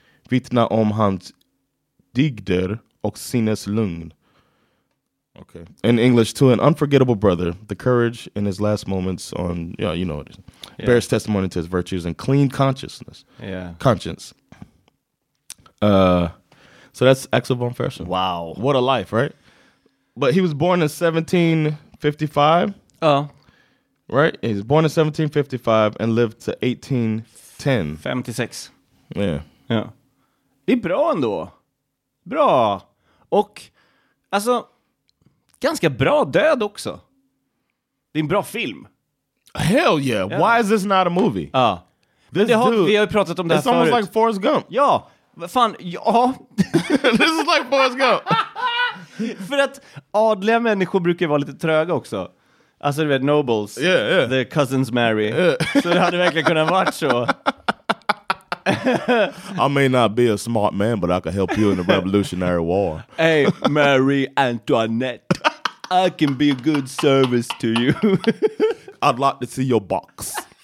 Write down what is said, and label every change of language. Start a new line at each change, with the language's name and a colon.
Swedish: Vittna om hans digder och sinnes lugn."
English: Okay. In English, "to an unforgettable brother, the courage in his last moments on," yeah, you know what it is, yeah, "bears testimony to his virtues and clean consciousness." Yeah. Conscience. So that's Axel von Fersen. Wow. What a life, right? But he was born in 1755. Oh. Right? He was born in 1755 and lived to 1810. 56. Yeah.
Swedish: Yeah. Det är bra ändå. Bra. Och, alltså, ganska bra död också. Det är en bra film.
English: Hell yeah. Yeah. Why is this not a movie?
Swedish: Ja. Vi har ju pratat om det här förut.
English: It's almost like Forrest Gump.
Swedish: Ja. Fan, ja.
English: This is like Forrest Gump.
Swedish: För att adliga människor brukar vara lite tröga också. Alltså, du vet, nobles.
English: Yeah, yeah. The cousins marry. Yeah.
Swedish: Så det hade verkligen kunnat vara så.
English: I may not be a smart man, but I can help you in the Revolutionary War. Hey, Marie Antoinette, I can be a good service to you. I'd like to see your box.